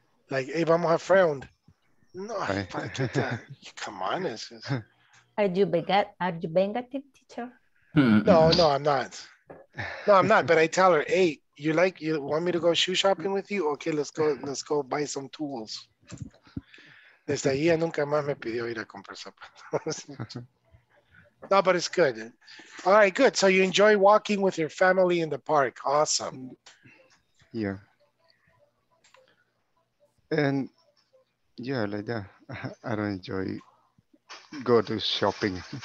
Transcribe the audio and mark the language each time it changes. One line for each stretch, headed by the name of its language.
English: Like, hey,
Spanish: vamos a
English: friend. No, come on. It's just... Are you vengative, teacher? No, I'm not. No, I'm not. But I tell her, hey, you want me to go shoe shopping with you? Okay, let's go buy some tools.
Spanish: Desde ahí nunca más me pidió ir a comprar zapatos.
English: No, but it's good. All right, good. So you enjoy walking with your family in the park. Awesome. Yeah. And yeah, like that. I don't enjoy go to shopping.